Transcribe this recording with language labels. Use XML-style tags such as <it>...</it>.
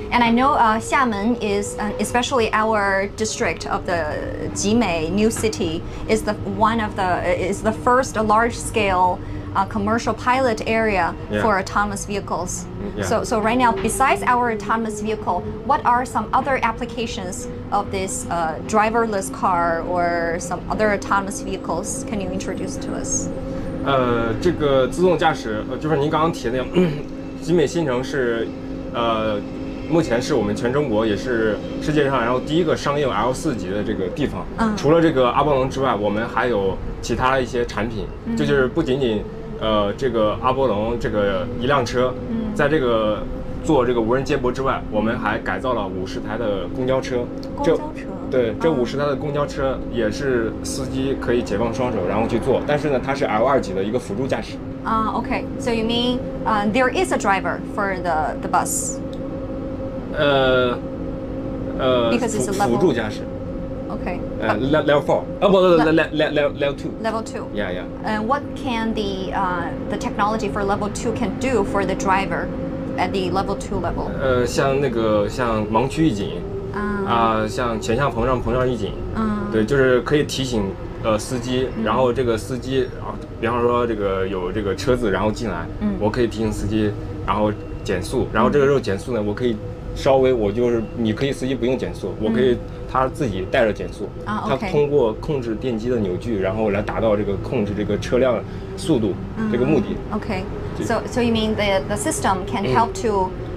<en>And I know Xiamen is, especially our district of the Jimei, New City, is the first large-scale commercial pilot area for autonomous vehicles. So right now, besides our autonomous vehicle, what are some other applications of this driverless car or some other autonomous vehicles? Can you introduce to us?</en> <zh>这个自动驾驶，就是您刚刚提的，集美新城是，目前是我们全中国也是世界上然后第一个商用 L 四级的这个地方。除了这个阿波龙之外，我们还有其他一些产品，就是不仅仅，这个阿波龙这个一辆车，在这个做这个无人接驳之外，我们还改造了50台的公交车。公交车。对，这50台的公交车也是司机可以解放双手然后去坐，但是呢，它是 L 二级的一个辅助驾驶。</zh> <en>Okay. So you mean, there is a driver for the bus. Because it's a level.</en> <zh>辅助驾驶。</zh> <en>Okay. Level four. Level two. Level two. Yeah. And what can the technology for level two can do for the driver at the level two level?</en> <zh>像盲区预警。像前向膨胀、膨胀预警，对，就是可以提醒司机，然后这个司机啊，比方说这个有这个车子然后进来，我可以提醒司机，然后减速，然后这个时候减速呢，我可以稍微我就是你可以司机不用减速，我可以他自己带着减速，他通过控制电机的扭矩，然后来达到这个控制这个车辆速度这个目的。</zh> <en>Okay, so you mean the system can help to</en>